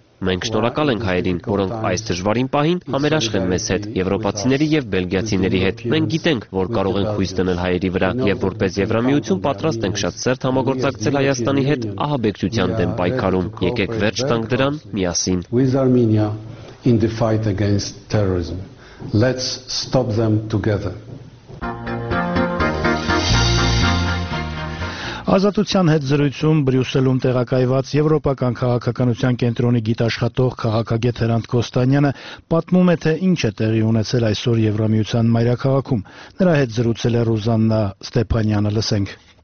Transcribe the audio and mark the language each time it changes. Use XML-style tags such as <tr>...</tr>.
<hy>Մենք շնորհակալ ենք հայերին, որոնք այս դժվարին պահին համերաշխ են մեզ հետ, եվրոպացիների եւ բելգիացիների հետ։ Մենք գիտենք, որ կարող ենք հույս դնել հայերի վրա եւ որպես Եվրամիություն պատրաստ ենք շատ սերտ համագործակցել Հայաստանի հետ ահաբեկչության դեմ պայքարում։ Եկեք վերջ տանք դրան միասին։</hy> <en>With Armenia in the fight against terrorism. Let's stop them together.</en> <hy>Ազատության հետ զրույցում Բրյուսելում տեղակայված Եվրոպական քաղաքականության կենտրոնի գիտաշխատող քաղաքագետ Հրանտ Կոստանյանը պատմում է, թե ինչ է տեղի ունեցել այսօր Եվրամիության մայրաքաղաքում։ Նրա հետ զրուցել է Ռուզաննա Ստեփանյանը, լսենք։</hy>